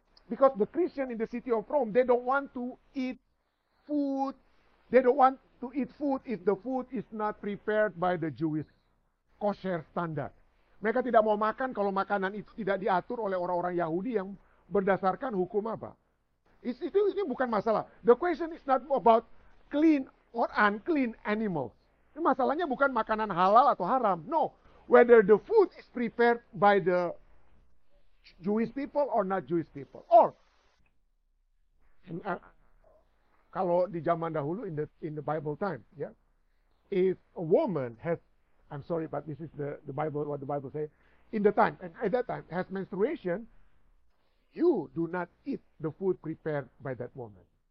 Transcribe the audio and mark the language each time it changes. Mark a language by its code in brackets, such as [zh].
[en] Because the Christian in the city of Rome, they don't want to eat food. They don't want to eat food if the food is not prepared by the Jewish kosher standard. [id] Mereka tidak mau makan kalau makanan itu tidak diatur oleh orang-orang Yahudi yang berdasarkan hukum apa. Ini bukan masalah. [en] The question is not about clean or unclean animals. [id] Ini masalahnya bukan makanan halal atau haram. [en] No. Whether the food is prepared by the Jewish people or not Jewish people. Or, [id] kalau di zaman dahulu, [en] in the Bible time, yeah, if a woman has, I'm sorry, but this is the Bible, what the Bible say, in the time, and at that time, has menstruation, you do not eat the food prepared by that woman.